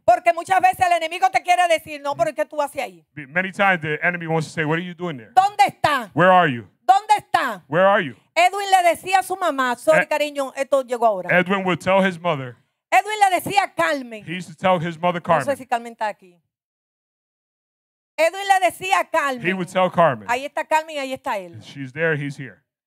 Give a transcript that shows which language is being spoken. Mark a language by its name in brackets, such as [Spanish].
[Spanish] Porque muchas veces el enemigo te quiere decir, no, pero ¿qué tú haces ahí? [English] Many times the enemy wants to say, what are you doing there? [Spanish] ¿Dónde está? [English] Where are you? [Spanish] ¿Dónde está? [English] Where are you? [Spanish] Edwin le decía a su mamá, sorry cariño, esto llegó ahora. [English] Edwin would tell his mother, [Spanish] Edwin le decía Carmen. [English] He used to tell his mother Carmen. [Spanish] No sé si Carmen está aquí. Edwin le decía Carmen. [English] He would tell Carmen. [Spanish] Ahí está Carmen, ahí está él. [English] She's there, he's here.